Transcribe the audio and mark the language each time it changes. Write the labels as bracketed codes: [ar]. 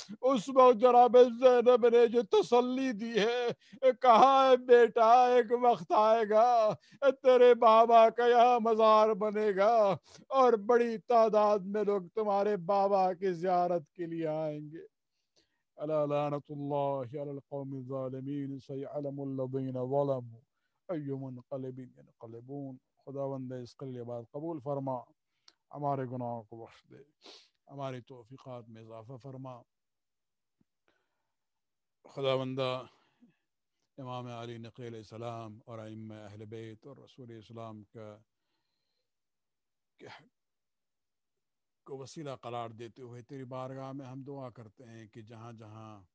[ur] اس وقت جناب زینب نے جو تسلی دی ہے کہا ہے بیٹا ایک وقت آئے گا تیرے بابا کا یہاں مزار بنے گا اور بڑی تعداد میں لوگ تمہارے بابا کی زیارت کے لیے آئے. [ar] الا لعنة الله على القوم الظالمين سيعلم الذين ظلموا اي منقلب ينقلبون. [ur] خداوند اس قلی بات قبول فرما, ہمارے گناہوں کو بخش دے, ہماری توفیقات میں اضافہ فرما. خداوند امام علی نقی علیہ السلام اور ائمہ اہل بیت اور رسول اسلام کو وسیلہ قرار دیتے ہوئے تیری بارگاہ میں ہم دعا کرتے ہیں کہ جہاں جہاں